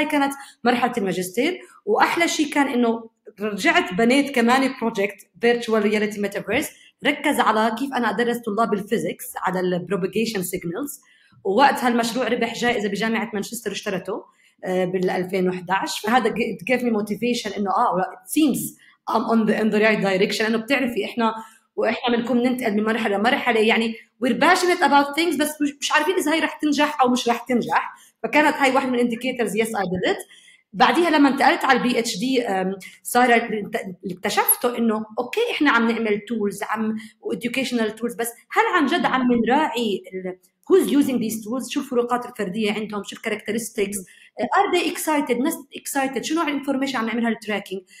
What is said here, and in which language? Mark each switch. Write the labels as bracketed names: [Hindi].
[Arabic] هاي كانت مرحله الماجستير. واحلى شيء كان انه رجعت بنيت كمان بروجكت فيرتشوال رياليتي ميتافيرس، ركز على كيف انا ادرس طلاب الفيزكس على البروبيجيشن سيجنلز. ووقتها المشروع ربح جائزة بجامعة مانشستر، اشترته بال 2011. فهذا [English] gave me motivation [Arabic] إنه [English] it seems I'm on the right direction. [Arabic] إنه بتعرفي إحنا وإحنا منكم ننتقل من مرحلة مرحلة، يعني [English] we're passionate about things [Arabic] بس مش عارفين إذا هاي رح تنجح أو مش رح تنجح. فكانت هاي واحد من [English] indicators yes I did it. [Arabic] بعديها لما انتقلت على البي اتش دي صار اكتشفته انه اوكي احنا عم نعمل تولز عم [English] educational tools، [Arabic] بس هل عن جد عم نراعي [English] who's using these tools، [Arabic] شو الفروقات الفردية عندهم، شو الكاركترستيكس، [English] are they excited، [Arabic] ناس [English] excited، [Arabic] شو نوع الانفورميشن عم نعملها للتراكينج.